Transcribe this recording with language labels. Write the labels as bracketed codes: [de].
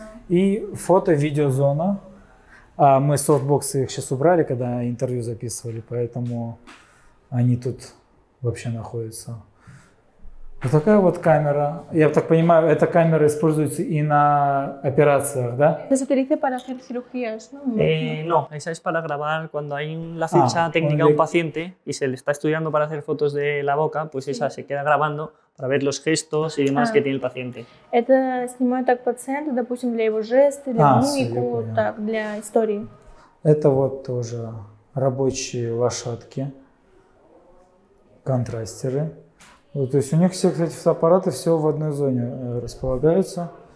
[ru] И фото-видеозона. А мы софтбоксы их сейчас убрали, когда интервью записывали, поэтому они тут вообще находятся. Вот такая вот камера. Я так понимаю, эта камера используется и на операциях, да? [es] Se utiliza para hacer cirugías, ¿no? No, esa es para grabar cuando hay la ficha técnica a un paciente y se le está estudiando para hacer fotos de la boca, pues esa se queda grabando para ver los gestos y demás que tiene el paciente. [ru] Это снимают так пациента, допустим, для его жестов, для мимики, так, для истории. Это вот тоже рабочие лошадки, контрастеры. Вот, то есть у них все, кстати, фотоаппараты все в одной зоне располагаются.